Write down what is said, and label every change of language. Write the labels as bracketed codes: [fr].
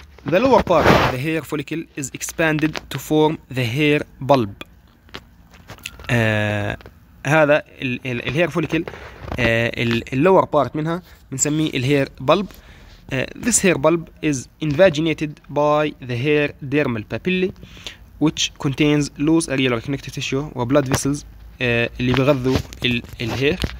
[en] The lower part of the hair follicle is expanded to form the hair bulb. [ar] هذا الهير فوليكل اللور بارت منها بنسميه الهير بلب. [en] This hair bulb is invaginated by the hair dermal papillae which contains loose areolar connective tissue و blood vessels [ar] اللي بغذوا الهير.